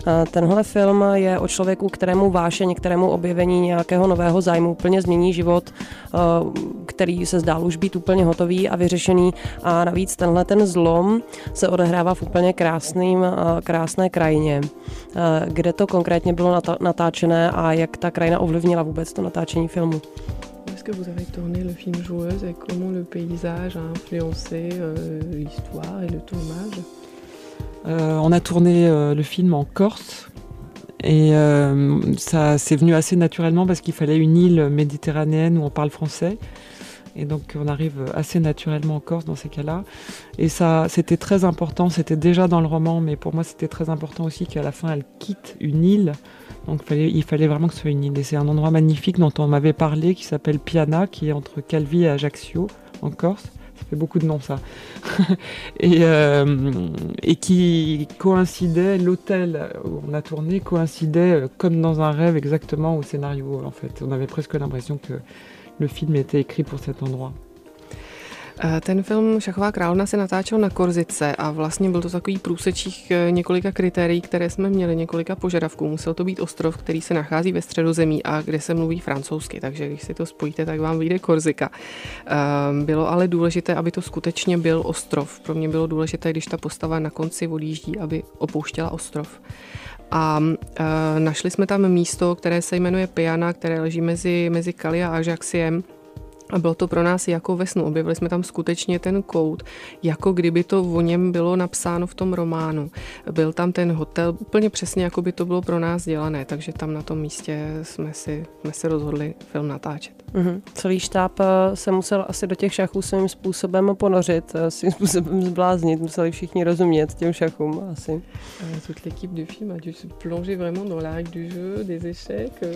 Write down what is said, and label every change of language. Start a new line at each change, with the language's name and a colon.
Czech: Tenhle film je o člověku, kterému vášeň, kterému objevení nějakého nového zájmu úplně změní život, který se zdál už být úplně hotový a vyřešený. A navíc tenhle ten zlom se odehrává v úplně krásné krajině. Kde to konkrétně bylo natáčené a jak ta krajina ovlivnila vůbec to natáčení filmu?
French: Est-ce que vous avez tourné le film Joueuse et comment le paysage a influencé l'histoire et le tournage? On a tourné le film en Corse et ça s'est venu assez naturellement parce qu'il fallait une île méditerranéenne où on parle français. Et donc on arrive assez naturellement en Corse dans ces cas-là. Et ça, c'était très important, c'était déjà dans le roman, mais pour moi c'était très important aussi qu'à la fin elle quitte une île. Donc il fallait vraiment que ce soit une île. Et c'est un endroit magnifique dont on m'avait parlé, qui s'appelle Piana, qui est entre Calvi et Ajaccio, en Corse. Ça fait beaucoup de noms ça. et qui coïncidait, l'hôtel où on a tourné coïncidait comme dans un rêve exactement au scénario en fait. On avait presque l'impression que le film était écrit pour cet endroit.
Czech: Ten film Šachová královna se natáčel na Korzice a vlastně byl to takový průsečík několika kritérií, které jsme měli, několika požadavků. Musel to být ostrov, který se nachází ve Středozemí a kde se mluví francouzsky, takže když si to spojíte, tak vám vyjde Korzika. Bylo ale důležité, aby to skutečně byl ostrov. Pro mě bylo důležité, když ta postava na konci odjíždí, aby opouštěla ostrov. A našli jsme tam místo, které se jmenuje Piana, které leží mezi Kali a Ajaxiem. A bylo to pro nás jako ve snu. Objevili jsme tam skutečně ten kout, jako kdyby to o něm bylo napsáno v tom románu. Byl tam ten hotel úplně přesně, jako by to bylo pro nás dělané. Takže tam na tom místě jsme se rozhodli film natáčet. Mm-hmm. Celý štáb se musel asi do těch šachů svým způsobem ponořit, svým způsobem zbláznit. Museli všichni rozumět těm šachům asi.
French: Toute l'équipe du film a dû se plonger vraiment dans l'arc du jeu, des échecs.